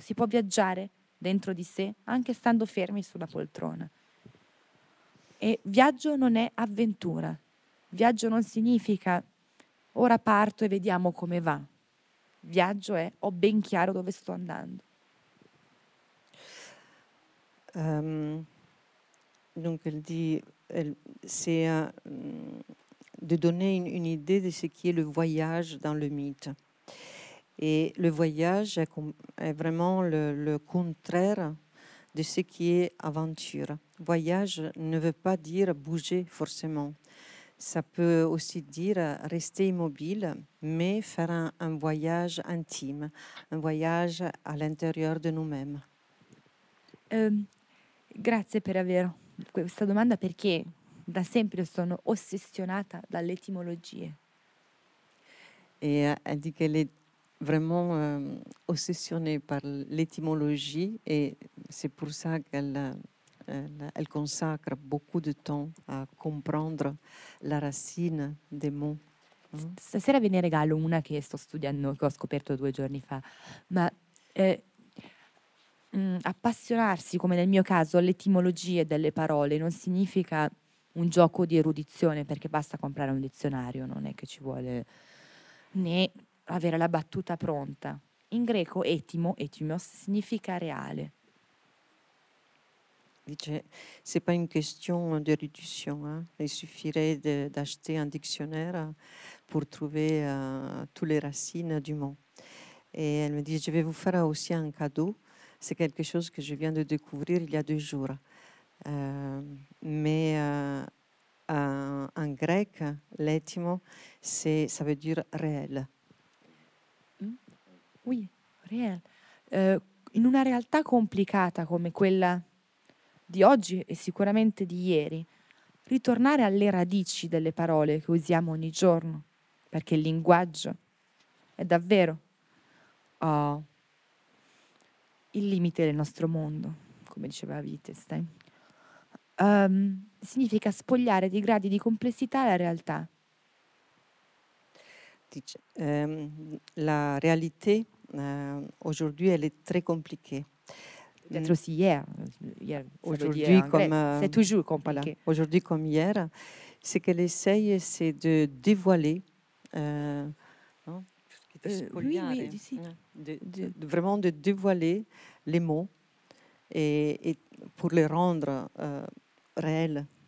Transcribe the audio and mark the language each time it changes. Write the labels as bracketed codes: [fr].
[it] Si può viaggiare dentro di sé, anche stando fermi sulla poltrona. E viaggio non è avventura. Viaggio non significa ora parto e vediamo come va. Viaggio è ho ben chiaro dove sto andando. [fr] Dunque, c'est de donner une idée de ce qui est le voyage dans le mythe. Et le voyage est vraiment le contraire de ce qui est aventure. Voyage ne veut pas dire bouger forcément. Ça peut aussi dire rester immobile, mais faire un voyage intime, un voyage à l'intérieur de nous-mêmes. [it] Grazie per aver questa domanda, perché da sempre sono ossessionata dall'etimologia. [fr] E di che le vraiment ossessionée par l'étymologie, et c'est pour ça qu'elle elle consacre beaucoup de temps à comprendre la racine des mots. [it] Stasera ve ne regalo una che sto studiando, che ho scoperto due giorni fa, ma appassionarsi, come nel mio caso, all'etimologia delle parole non significa un gioco di erudizione, perché basta comprare un dizionario, non è che ci vuole né avere la battuta pronta. In greco etimo, etimos, significa reale. [fr] Dice, c'est pas une question de réduction, hein? Il suffirait d'acheter un dictionnaire pour trouver toutes les racines du mot. Et elle me dit, je vais vous faire aussi un cadeau, c'est quelque chose que je viens de découvrir il y a deux jours. En grec, l'étimo, ça veut dire réel. Oui, réel. [it] In una realtà complicata come quella di oggi e sicuramente di ieri, ritornare alle radici delle parole che usiamo ogni giorno, perché il linguaggio è davvero il limite del nostro mondo, come diceva Wittgenstein, significa spogliare di gradi di complessità la realtà. Dice, la realtà [fr] aujourd'hui, elle est très compliquée. Peut-être aussi hier. Aujourd'hui, comme c'est toujours compliqué. Voilà. Aujourd'hui comme hier, ce qu'elle essaye, c'est de dévoiler, vraiment de dévoiler les mots et pour les rendre réels.